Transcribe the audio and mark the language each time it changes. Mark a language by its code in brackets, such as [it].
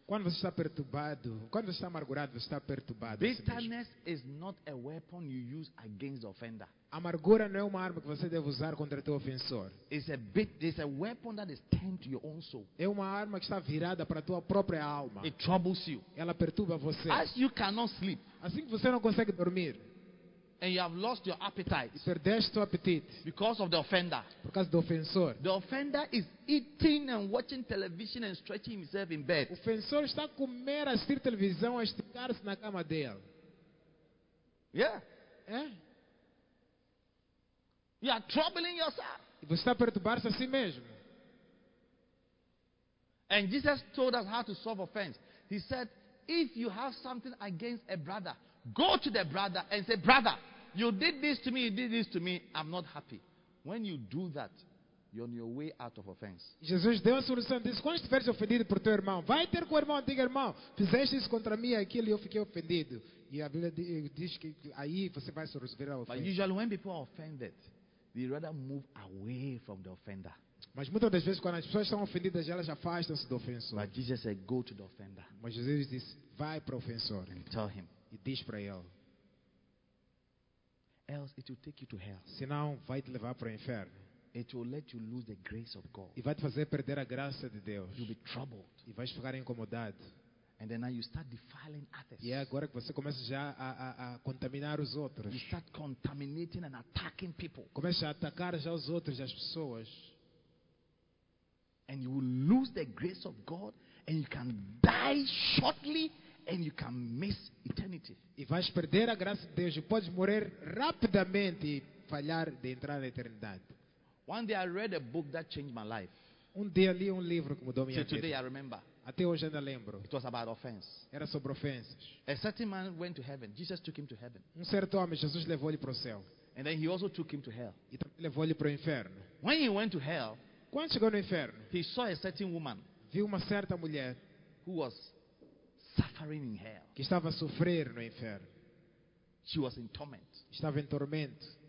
[pt] Quando você está perturbado, quando você está amargurado, você está perturbado. [en] Bitterness is not a weapon you use against the offender. [pt] Amargura não é uma arma que você deve usar contra o teu ofensor. [en] It's a weapon that is turned to your own soul. [pt] É uma arma que está virada para a tua própria alma. [en] It troubles you. [pt] Ela perturba você. [en] As you cannot sleep. [pt] Assim que você não consegue dormir. [en] And you have lost your appetite. [pt] E perdeste o apetite. [en] Because of the offender. [pt] Por causa do ofensor. [en] The offender is eating and watching television and stretching himself in bed. [pt] O ofensor está a comer, a assistir televisão, a esticar-se na cama dele. [en] Yeah. [pt] É? [en] You are troubling yourself. [pt] E você está a perturbar-se a si mesmo. [en] And Jesus told us how to solve offense. He said, if you have something against a brother, go to the brother and say, brother, you did this to me, you did this to me, I'm not happy. When you do that, you're on your way out of offense. [pt] Jesus deu a solução, disse, quando estiveres ofendido por teu irmão, vai ter com o irmão, diga, irmão, fizeste isso contra mim, aquilo, e eu fiquei ofendido. E a Bíblia diz que aí você vai se resolver a ofensa. [en] But usually when people are offended, they rather move away from the offender. [pt] Mas muitas das vezes, quando as pessoas estão ofendidas, elas afastam-se do ofensor. [en] But Jesus said, go to the offender. [pt] Mas Jesus disse, vai para o ofensor. [en] And tell him. [pt] E diz para ele. [en] Else it will take you to hell. [pt] Senão vai te levar para o inferno. [en] It will let you lose the grace of God. [pt] E vai te fazer perder a graça de Deus. [en] You'll be troubled. [pt] E vais ficar incomodado. [en] And then now you start defiling others. [pt] E agora que você começa já a contaminar os outros. [en] You start contaminating and attacking people. [pt] Começa a atacar já os outros, as pessoas. [en] And you will lose the grace of God and you can die shortly and you can miss eternity. [pt] E vais perder a graça de Deus, podes morrer rapidamente e falhar de entrar na eternidade. [en] One day I read a book that changed my life. [pt] Um dia li um livro que mudou minha vida. [en] Today I remember. [pt] Até hoje ainda lembro. [en] It was about offense. [pt] Era sobre ofensas. [en] A certain man went to heaven. Jesus took him to heaven. [pt] Um certo homem, Jesus levou-lhe para o céu. [en] And then he also took him to hell. [pt] E também levou-lhe para o inferno. [en] When he went to hell, [pt] quando chegou no inferno, [en] he saw a certain woman, [pt] viu uma certa mulher, [en] who was suffering in hell, [pt] que estava a sofrer no inferno. [en] She was in torment. [pt] Estava em tormento.